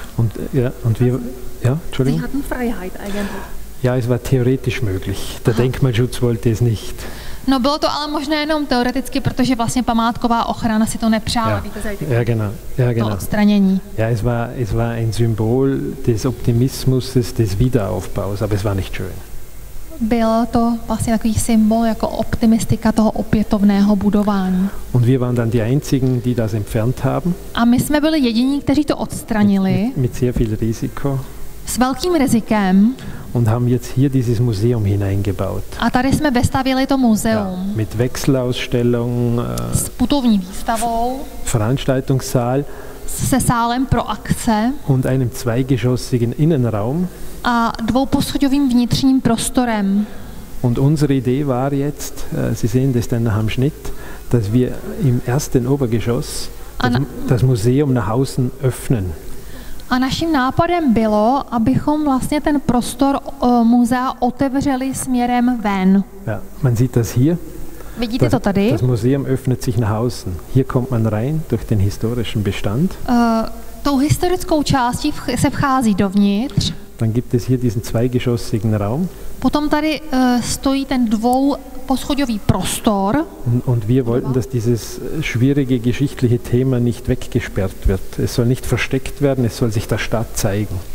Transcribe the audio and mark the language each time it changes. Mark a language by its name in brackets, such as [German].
[German] Und ja, und wir ja, Entschuldigung. Sie hatten Freiheit eigentlich. Ja, es war theoretisch möglich. Der Denkmalschutz wollte es nicht. [Czech] No, bylo to ale možné jenom teoreticky, protože vlastně památková ochrana si to nepřála. [German] Ja, genau. [Czech] To odstranění. [German] Ja, es war ein Symbol des Optimismus, des Wiederaufbaus, aber es war nicht schön. [Czech] Bylo to vlastně takový symbol jako optimistika toho opětovného budování. [German] Und wir waren dann die einzigen, die das entfernt haben. [Czech] A my jsme byli jediní, kteří to odstranili. [German] Mit sehr viel Risiko. [Czech] S velkým rizikem. [German] Und haben jetzt hier dieses Museum hineingebaut. [Czech] A tady jsme vystavili to muzeum. [German] Ja, mit Wechselausstellung, [Czech] s putovní výstavou. [German] Veranstaltungssaal. [Czech] Se sálem pro akce. [German] Und einem zweigeschossigen Innenraum. [Czech] A dvouposchodovým vnitřním prostorem. [German] Und unsere Idee war jetzt, Sie sehen das dann am Schnitt, dass wir im ersten Obergeschoss das Museum nach außen öffnen. [Czech] A naším nápadem bylo, abychom vlastně ten prostor muzea otevřeli směrem ven. [German] Ja, man sieht das hier. [Czech] Vidíte das, to tady? [German] Das Museum öffnet sich nach außen. Hier kommt man rein durch den historischen Bestand. [Czech] Tou historickou částí se vchází dovnitř. [German] Dann gibt es hier diesen zweigeschossigen Raum. [Czech] Potom tady stojí ten dvouposchodový prostor. [German] Und wir wollten, dass dieses schwierige geschichtliche Thema nicht weggesperrt wird. Es soll nicht versteckt werden, es soll sich der Stadt zeigen.